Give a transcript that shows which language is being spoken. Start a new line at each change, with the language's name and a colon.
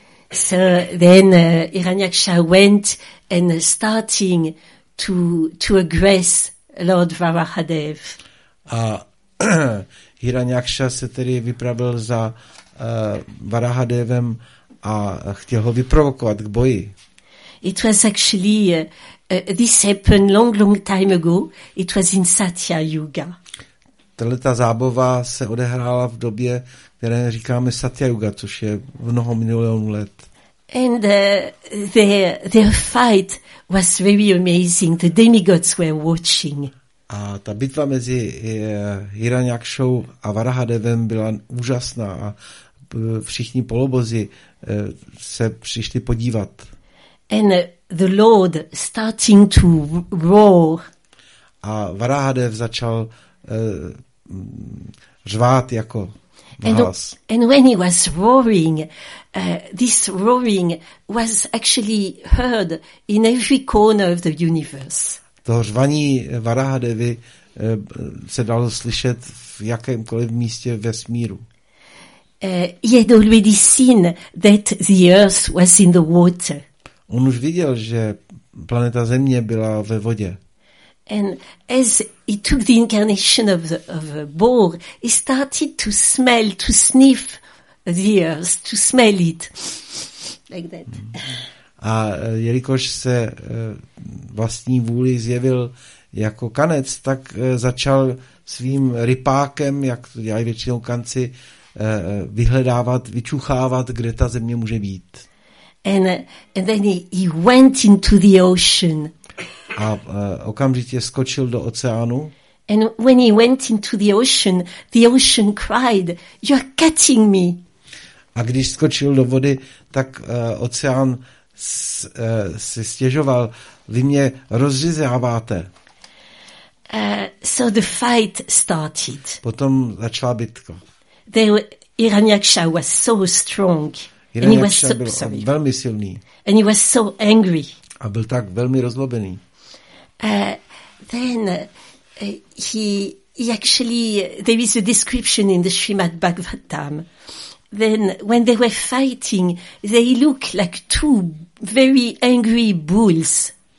English: So then Hiranyaksha went and starting to aggress Lord Varahadev.
Czech: A Hiranyaksha se tedy vypravil za Varahadevem a chtěl ho vyprovokovat k boji.
English: It was actually this happened long time ago. It was in Satya Yuga.
Czech: Tahle ta zábava se odehrála v době, které říkáme Satya Yuga, což je mnoho milionů let.
English: And their fight was very amazing. The demigods were watching.
Czech: A ta bitva mezi Hiranyakshou a Varahadevem byla úžasná a všichni polobozy se přišli podívat.
English: And the Lord starting to roar.
Czech: A Varahadev začal řvát jako hlas.
English: And when he was roaring, this roaring was actually heard in every corner of the universe.
Czech: To řvaní Varahadevy se dalo slyšet v jakémkoliv místě vesmíru.
English: He had already seen that the earth was in the water.
Czech: On už viděl, že planeta Země byla ve vodě.
English: And as he took the incarnation of a boar, he started to smell, to sniff the earth, to smell it, like that.
Czech: A jelikož se vlastní vůli zjevil jako kanec, tak začal svým rypákem, jak to dělají většinou kanci, vyhledávat, vyčuchávat, kde ta země může být.
English: And then he went into the ocean.
Czech: A okamžitě skočil do oceánu.
English: And when he went into the ocean cried, "You're cutting me."
Czech: A když skočil do vody, tak oceán se stěžoval, vy mě rozřizáváte.
English: So the fight started.
Czech: Potom začala bitka.
English: The Hiranyaksha was so strong. And he was so,
Czech: byl velmi silný.
English: And he was so angry.
Czech: A byl tak velmi rozlobený.
English: There is a description in the Srimad Bhagavatam. Then when they were fighting, they look like two very angry bulls.